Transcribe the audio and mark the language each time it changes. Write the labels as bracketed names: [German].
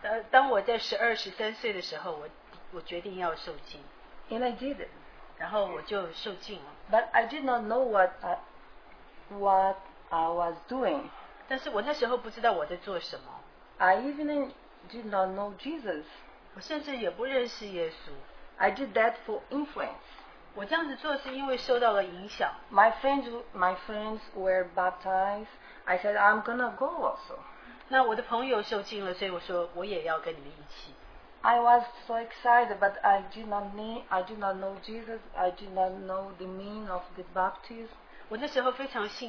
[Chinese] 当我在十二、十三岁的时候，我决定要受浸。 [English] And I did it. [Chinese] 然后我就受浸了。 [English] But I did not know what I was doing. [Chinese] 但是我那时候不知道我在做什么。 [English] I even did not know Jesus. [Chinese] 我甚至也不认识耶稣。 [English] I did that for influence. [Chinese] 我这样子做是因为受到了影响。 [English] My friends were baptized. I said I'm gonna go also. [Chinese] 那我的朋友受浸了，所以我说我也要跟你们一起。 [English] I was so excited, but I did not know Jesus. I did not know the meaning of the baptism.